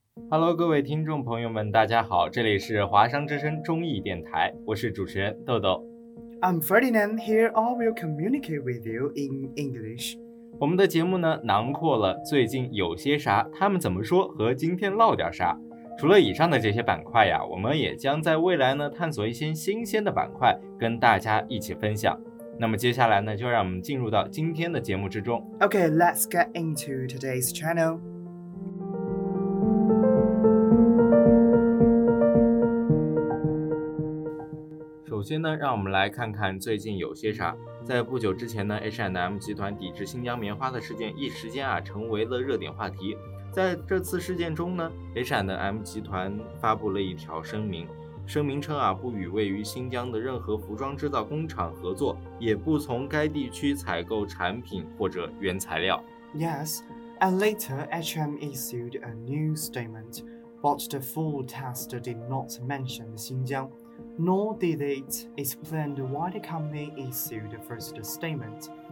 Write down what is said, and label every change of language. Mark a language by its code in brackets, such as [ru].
[zh] Hello，各位听众朋友们，大家好，这里是华商之声中译电台，我是主持人豆豆。 [en] I'm Ferdinand, here I will communicate with you in English. [zh] 我们的节目呢，囊括了最近有些啥，他们怎么说和今天唠点啥。除了以上的这些板块呀，我们也将在未来呢，探索一些新鲜的板块，跟大家一起分享。那么接下来呢，就让我们进入到今天的节目之中。 [en] Okay, let's get into today's channel. [zh] 首先呢，让我们来看看最近有些啥。在不久之前呢 ，H&M 集团抵制新疆棉花的事件，一时间啊成为了热点话题。在这次事件中呢 ，H&M 集团发布了一条声明，声明称啊不与位于新疆的任何服装制造工厂合作，也不从该地区采购产品或者原材料。 [en] Yes, and later H&M issued a new statement, but the full text did not mention Xinjiang. Nor did it explain why the company issued the first statement.